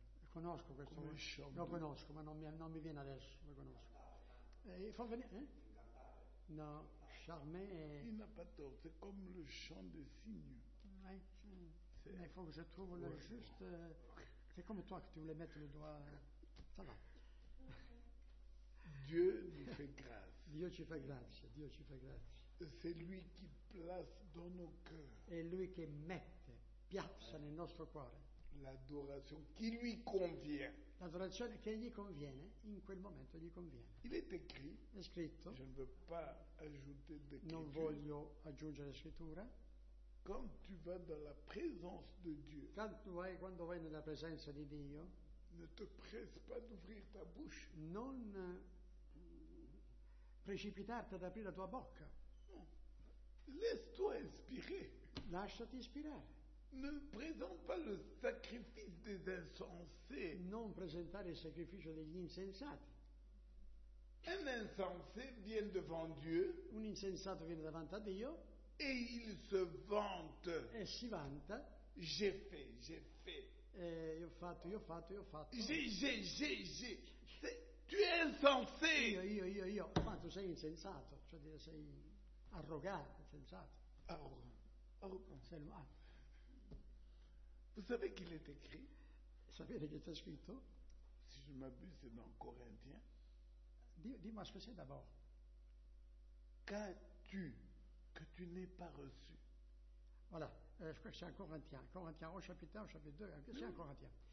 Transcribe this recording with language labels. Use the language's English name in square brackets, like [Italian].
[Italian] Conosco questo, lo conosco, ma non mi viene adesso. Lo conosco. Fa venire? No, charmé. [French] Il n'a pas tort, c'est comme le chant des cygnes. Mais faut que je trouve le juste. C'est comme toi que tu voulais mettre le doigt. Ça va. Dieu nous fait grâce. [Italian] Dio ci fa grazia, Dio ci fa grazia. [French] C'est lui qui place dans nos cœurs. [Italian] È lui che mette, piazza nel nostro cuore. [French] L'adorazione qui lui convient. [Italian] L'adorazione che gli conviene, in quel momento gli conviene. [French] Il est écrit. [Italian] È scritto. [French] Je ne veux pas ajouter de [Italian] non voglio aggiungere scrittura. [French] Quand tu vas dans la présence de Dieu. [Italian] Quando vai nella presenza di Dio. [French] Ne te presse pas d'ouvrir ta bouche. [Italian] Non precipitarti ad aprire la tua bocca. [French] Laisse-toi inspirer. [Italian] Lasciati ispirare. [French] Ne présente pas le sacrifice des insensés. [Italian] Non presentare il sacrificio degli insensati. [French] Un insensé vient devant Dieu. [Italian] Un insensato viene davanti a Dio. [French] Et il se vante. [Italian] E si vanta. [French] J'ai fait, j'ai fait. [Italian] Io ho fatto. [French] J'ai. Tu es insensé. [Italian] Io. Ma tu sei insensato. Cioè dire sei arrogante, insensato. Arrogante. [French] Vous savez qu'il est écrit? [Italian] Sapete che c'è scritto? [French] Si je m'abuse, c'est dans Corinthiens. [Italian] Dimmi, [French] ce que c'est d'abord. Qu'as-tu que tu n'aies pas reçu? Voilà. Je crois que c'est en Corinthiens. Corinthiens au chapitre 1, au chapitre 2, c'est en Corinthiens.